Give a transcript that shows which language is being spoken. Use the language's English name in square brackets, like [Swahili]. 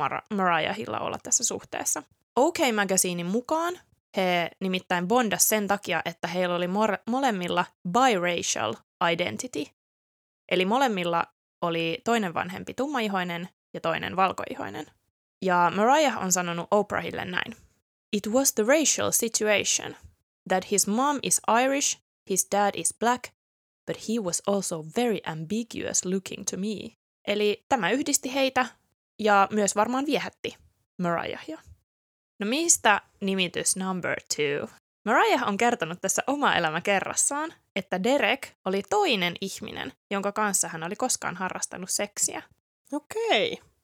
[Finnish] Mariahilla olla tässä suhteessa. OK Magazinein mukaan he nimittäin bondas sen takia, että heillä oli molemmilla [English] biracial identity. [Finnish] Eli molemmilla oli toinen vanhempi tummaihoinen ja toinen valkoihoinen. Ja Mariah on sanonut Oprahille näin. [English] It was the racial situation that his mom is Irish, his dad is black, but he was also very ambiguous looking to me. [Finnish] Eli tämä yhdisti heitä. Ja myös varmaan viehätti Mariahia. No, mistä nimitys [English] number two? [Finnish] Mariah on kertonut tässä oma elämä kerrassaan, että Derek oli toinen ihminen, jonka kanssa hän oli koskaan harrastanut seksiä. Okei.